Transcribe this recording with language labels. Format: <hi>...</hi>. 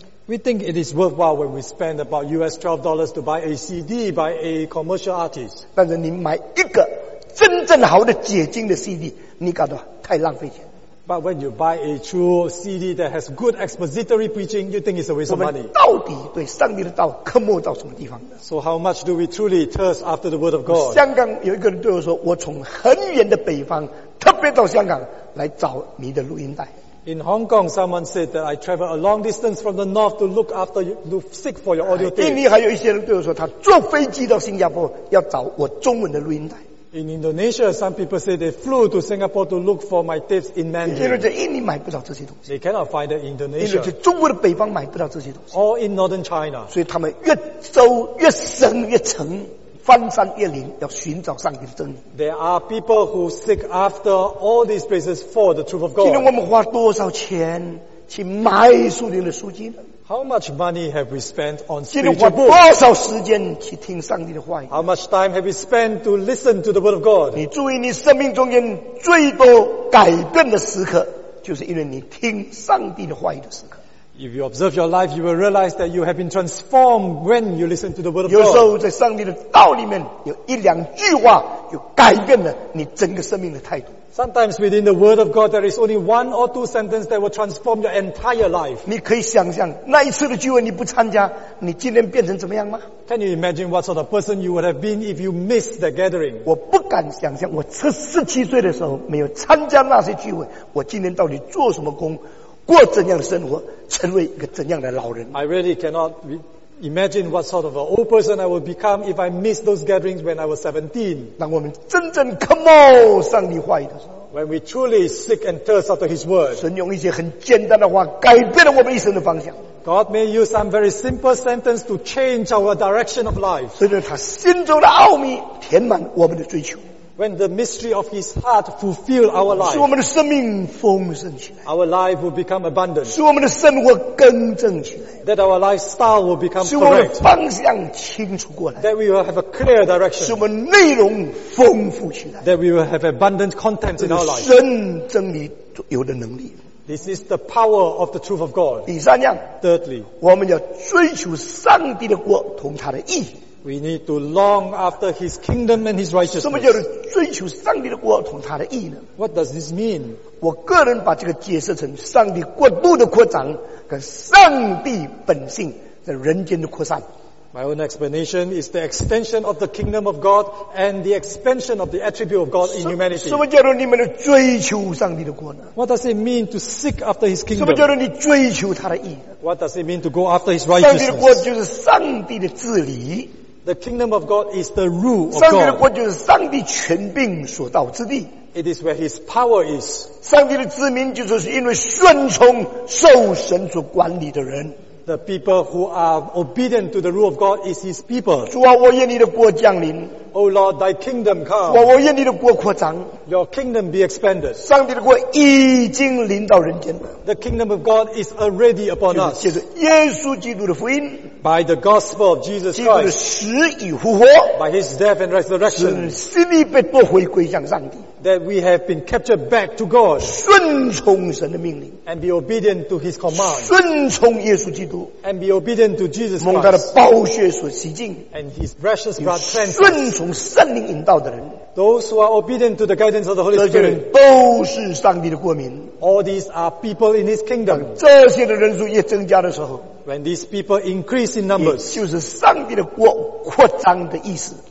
<en>We think it is worthwhile when we spend about US $12 to buy a CD by a commercial artist.</en> <zh>但是你买一个真正好的解经的 CD, 你感到太浪费钱。</zh> <en>But when you buy a true CD that has good expository preaching, you think it's a waste of money.</en> <zh>到底对上帝的道渴慕到什么地方？</zh> <en>So how much do we truly thirst after the word of God?</en> <zh>香港有一个人对我说，我从很远的北方，特别到香港来找你的录音带。</zh> <en>In Hong Kong, someone said that I travel a long distance from the north to look after you, to seek for your audio tape.</en> <zh>印尼还有一些人对我说，他坐飞机到新加坡要找我中文的录音带。</zh> <en>In Indonesia, some people say they flew to Singapore to look for my tapes in Mandarin.</en> <zh>因为在印尼买不到这些东西。</zh> <en>They cannot find it in Indonesia.</en> <zh>因为在中国的北方买不到这些东西。</zh> <en>Or in northern China.</en> <zh>所以他们越走越深越沉。翻山越岭要寻找上帝的真理。</zh> <en>There are people who seek after all these places for the truth of God.</en> <zh>今天我们花多少钱去买属灵的书籍呢？</zh> <en>How much money have we spent on spiritual books?</en> <zh>今天花多少时间去听上帝的话语？</zh> <en>How much time have we spent to listen to the word of God?</en> <zh>你注意，你生命中间最多改变的时刻，就是因为你听上帝的话语的时刻。</zh> <en>If you observe your life, you will realize that you have been transformed when you listen to the word of God.</en> <zh>有时候在上帝的道里面有一两句话，就改变了你整个生命的态度。</zh> <en>Sometimes within the word of God, there is only one or two sentences that will transform your entire life.</en> <zh>你可以想象那一次的聚会你不参加，你今天变成怎么样吗？</zh> <en>Can you imagine what sort of person you would have been if you missed the gathering?</en> <zh>我不敢想象，我17岁的时候没有参加那些聚会，我今天到底做什么工，过怎样的生活，成为一个怎样的老人？</zh> <en>I really cannot imagine what sort of an old person I would become if I missed those gatherings when I was 17.</en> <zh>当我们真正渴慕上帝话语的时候，</zh> <en>when we truly seek and thirst after His word,</en> <zh>神用一些很简单的话改变了我们一生的方向。</zh> <en>God may use some very simple sentence to change our direction of life.</en> <zh>随着他心中的奥秘填满我们的追求。</zh> <en>When the mystery of His heart fulfills our life,</en> <zh>使我们的生命丰盛起来。</zh> <en>Our life will become abundant.</en> <zh>使我们的生活更正起来。</zh> <en>That our lifestyle will become correct.</en> <zh>使我们的方向清楚过来。</zh> <en>That we will have a clear direction.</en> <zh>使我们内容丰富起来。</zh> <en>That we will have abundant content in our life.</en> <zh>神真理有的能力。</zh> <en>This is the power of the truth of God.</en> <zh>第三样。</zh> <en>Thirdly,</en> <zh>我们要追求上帝的国同他的义。</zh> <en>We need to long after His kingdom and His righteousness.</en> <zh>什么叫追求上帝的国同他的义呢？</zh> <en>What does this mean?</en> <zh>我个人把这个解释成上帝国度的扩展跟上帝本性在人间的扩散。</zh> <en>My own explanation is the extension of the kingdom of God and the expansion of the attribute of God in humanity.</en> <zh>什么叫做你们追求上帝的国呢？</zh> <en>What does it mean to seek after His kingdom?</en> <zh>什么叫做你追求他的义？</zh> <en>What does it mean to go after His righteousness?</en> <zh>上帝的国就是上帝的治理。</zh> <en>The kingdom of God is the rule of God.</en> <zh>上帝的国就是上帝权柄所到之地。</zh> <en>It is where His power is.</en> <zh>上帝的子民就是因为顺从受神所管理的人。</zh> <en>The people who are obedient to the rule of God is His people.</en> <zh>主啊，我愿你的国降临。</zh> <en>O Lord, Thy kingdom come.</en> <zh>我愿你的国扩张。</zh> <en>Your kingdom be expanded.</en> <zh>上帝的国已经临到人间。</zh> <en>The kingdom of God is already upon us.</en> <zh>就是耶稣基督的福音。</zh> <en>By the gospel of Jesus Christ.</en> <zh>基督的死与复活。</zh> <en>By His death and resurrection.</en> <zh>使你被夺回归向上帝。</zh> <en>That we have been captured back to God.</en> <zh>顺从神的命令。</zh> <en>And be obedient to His command.</en> <zh>顺从耶稣基督。</zh> <en>And be obedient to Jesus Christ.</en> <zh>蒙他的宝血所洗净。</zh> <en>And His precious blood cleansed.</en> <zh>顺从圣灵引导的人。</zh> <en>Those who are obedient to the guidance of the Holy Spirit.</en> <zh>这些人都是上帝的国民。</zh> <en>All these are people in His kingdom.</en> <zh>当这些的人数越增加的时候。</zh> <en>When these people increase in numbers.</en> <zh>也就是上帝的国扩张的意思。</zh>